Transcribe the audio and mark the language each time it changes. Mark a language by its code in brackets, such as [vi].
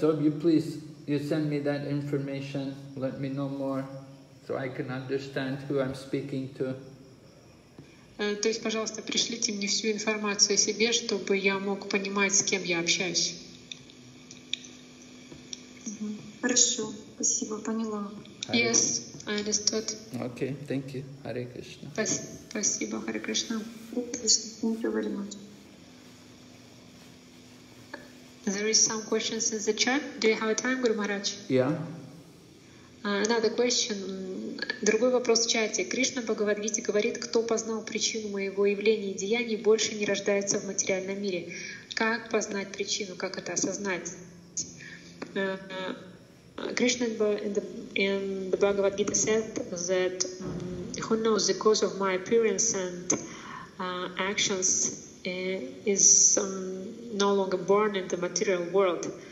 [en] So you please, you send me that information. Let me know more, so I can understand who I'm speaking to. [ru] То есть, пожалуйста, пришлите мне всю информацию о себе, чтобы я мог понимать, с кем я общаюсь. Хорошо. Спасибо. Поняла. [en] Yes, I understood. Okay, thank you. Hare Krishna. [ru] Спасибо, Hare Krishna. [en] Thank you very much. There is some questions in the chat. Do you have time, Guru Maharaj? Yeah. Another question. [ru] Другой вопрос в чате. Кришна Бхагавадгите говорит, кто познал причину моего явления и деяний, больше не рождается в материальном мире. Как познать причину? Как это осознать? [en] Krishna in the Bhagavad Gita said that who knows the cause of my appearance and actions is no longer born in the material world.